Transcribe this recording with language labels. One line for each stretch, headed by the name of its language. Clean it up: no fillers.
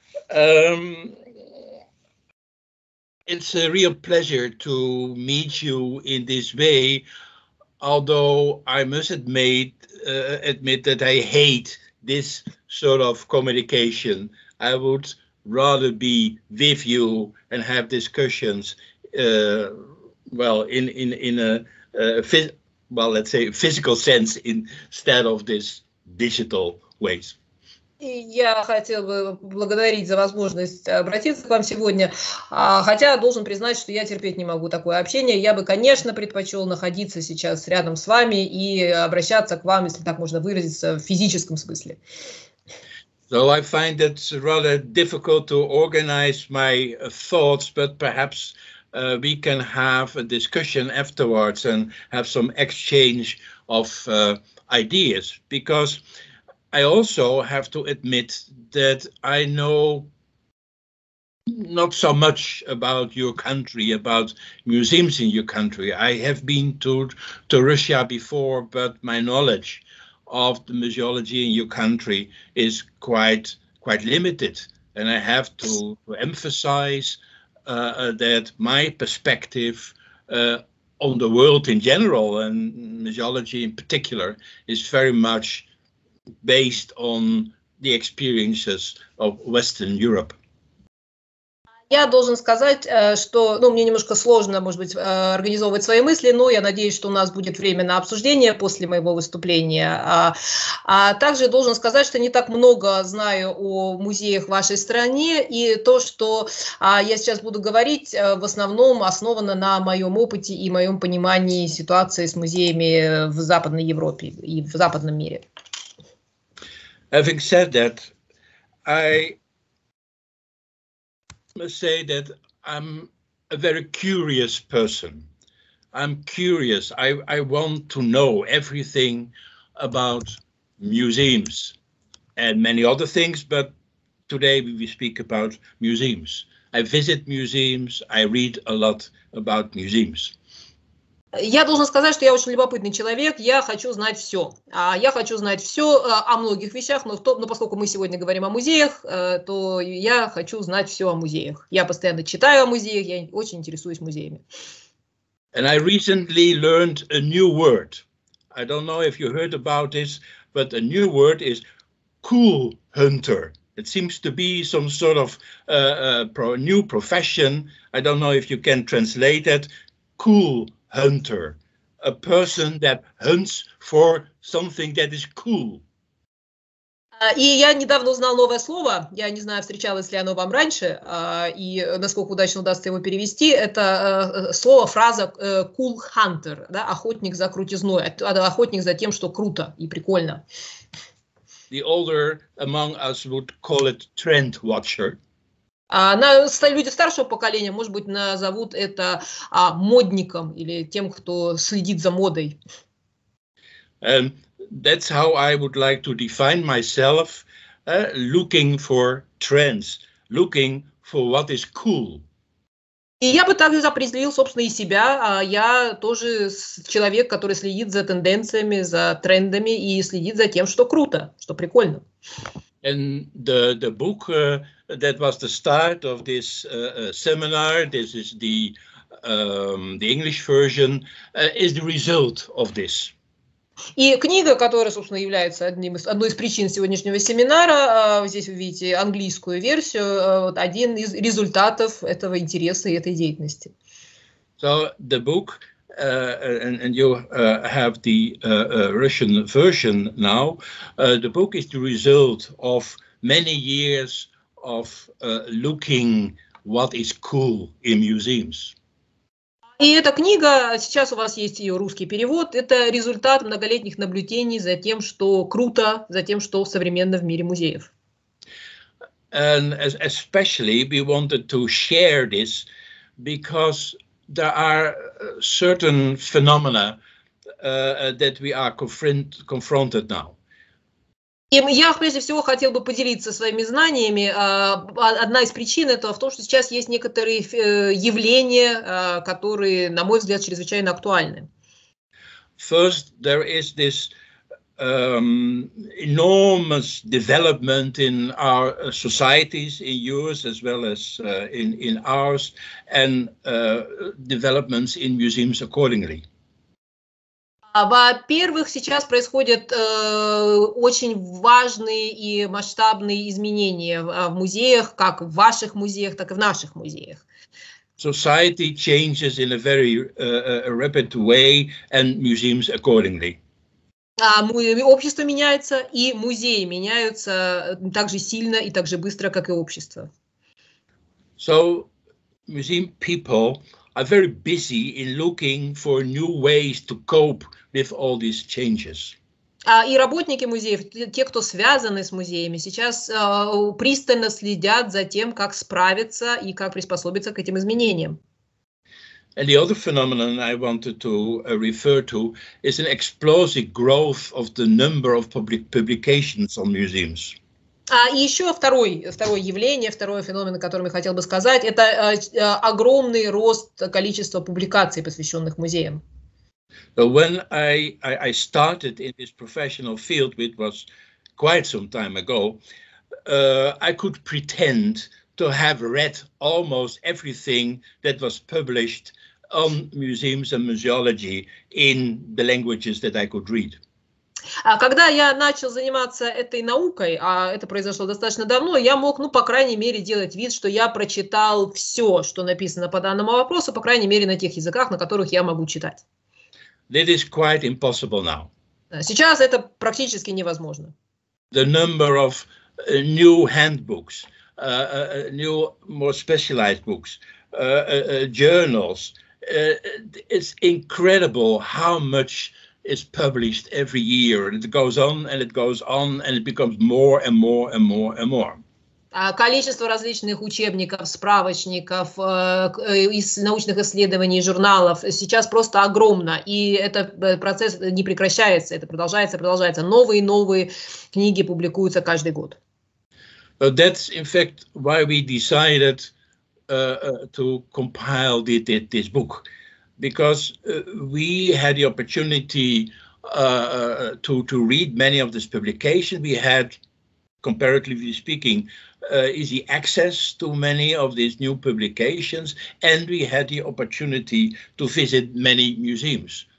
English: It's a real pleasure to meet you in this way, although I must admit that I hate this sort of communication. I would rather be with you and have discussions, physical sense instead of this digital ways.
Russian: Я хотел бы поблагодарить за возможность обратиться к вам сегодня, хотя должен признать, что я терпеть не могу такое общение. Я бы, конечно, предпочел находиться сейчас рядом с вами и обращаться к вам, если так можно выразиться, в физическом смысле.
English: So I find it rather difficult to organize my thoughts, but perhaps we can have a discussion afterwards and have some exchange of ideas, because I also have to admit that I know not so much about your country, about museums in your country. I have been to Russia before, but my knowledge of the museology in your country is quite limited. And I have to emphasize that my perspective on the world in general and museology in particular is very much based on the experiences of Western Europe.
Russian: Я должен сказать, что, ну, мне немножко сложно, может быть, организовывать свои мысли, но я надеюсь, что у нас будет время на обсуждение после моего выступления. А также должен сказать, что не так много знаю о музеях в вашей стране, и то, что я сейчас буду говорить, в основном основано на моем опыте и моем понимании ситуации с музеями в Западной Европе и в Западном мире.
English: Having said that, I must say that I'm a very curious person. I'm curious. I want to know everything about museums and many other things, but today we speak about museums. I visit museums, I read a lot about museums.
Russian: Я должен сказать, что я очень любопытный человек, я хочу знать все. Я хочу знать все о многих вещах, но поскольку мы сегодня говорим о музеях, то я хочу знать все о музеях. Я постоянно читаю о музеях, я очень интересуюсь музеями.
English: And I recently learned a new word. I don't know if you heard about this, but a new word is cool hunter. It seems to be some sort of new profession. I don't know if you can translate it. Cool hunter, a person that hunts for something that is cool.
Russian: И я недавно узнал новое слово. Я не знаю, встречалось ли оно вам раньше, и насколько удачно удастся его перевести. Это слово, фраза cool hunter, да, охотник за крутизной, охотник за тем, что круто и прикольно.
English: The older among us would call it trend watcher.
Russian: Люди старшего поколения, может быть, назовут это модником или тем, кто следит за модой.
English: That's how I would like to define myself, looking for trends, looking for what is cool.
Russian: И я бы также определил, собственно, и себя. Я тоже человек, который следит за тенденциями, за трендами и следит за тем, что круто, что прикольно.
English: And the book that was the start of this seminar, this is the English version, is the result of this.
Russian: И книга, которая, собственно, является одной из причин сегодняшнего семинара, здесь вы видите английскую версию, вот один из результатов этого интереса и этой деятельности.
English: So the book, and you have the Russian version now, the book is the result of many years of looking what is cool in museums.
Russian: И эта книга, сейчас у вас есть ее русский перевод, это результат многолетних наблюдений за тем, что круто, за тем, что современно в мире музеев.
English: And especially we wanted to share this because there are certain phenomena that we are confronted now.
Russian: И я, прежде всего, хотел бы поделиться своими знаниями. Одна из причин этого в том, что сейчас есть некоторые явления, которые, на мой взгляд, чрезвычайно актуальны.
English: First, there is this enormous development in our societies, in yours as well as in ours, and developments in museums accordingly.
Russian: Во-первых, сейчас происходят очень важные и масштабные изменения в музеях, как в ваших музеях, так и в наших музеях.
English: Society changes in a very rapid way, and museums accordingly.
Russian: Общество меняется, и музеи меняются так же сильно и так же быстро, как и общество.
English: So, museum people are very busy in looking for new ways to cope with all these changes.
Russian: И работники музеев, те, кто связаны с музеями, сейчас пристально следят за тем, как справиться и как приспособиться к этим изменениям.
English: And the other phenomenon I wanted to refer to is an explosive growth of the number of publications on museums.
Russian: И еще второе явление, второй феномен, о котором я хотел бы сказать, это огромный рост количества публикаций, посвященных музеям.
English: So when I started in this professional field, which was quite some time ago, I could pretend to have read almost everything that was published on museums and museology in the languages that I could read.
Russian: Когда я начал заниматься этой наукой, а это произошло достаточно давно, я мог, ну, по крайней мере, делать вид, что я прочитал все, что написано по данному вопросу, по крайней мере, на тех языках, на которых я могу читать.
English: It is quite impossible now.
Russian: Сейчас это практически невозможно.
English: The number of new handbooks, new more specialized books, journals, it's incredible how much is published every year, and it goes on and it goes on, and it becomes more and more and more and more.
Russian: Количество различных учебников, справочников, из научных исследований, журналов сейчас просто огромно, и этот процесс не прекращается, это продолжается, продолжается. Новые и новые книги публикуются каждый год.
English: But that's in fact why we decided to compile this book. Because we had the opportunity to read many of these publications. We had, comparatively speaking, easy access to many of these new publications, and we had the opportunity to visit many museums.